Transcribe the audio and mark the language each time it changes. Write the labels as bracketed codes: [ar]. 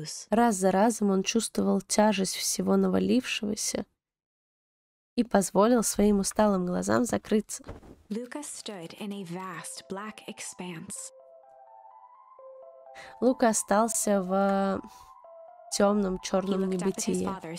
[ru] Раз за разом он чувствовал тяжесть всего навалившегося и позволил своим усталым глазам закрыться. [en] Лука stood in a vast black expanse. [ru] Лука остался в темном черном небытии.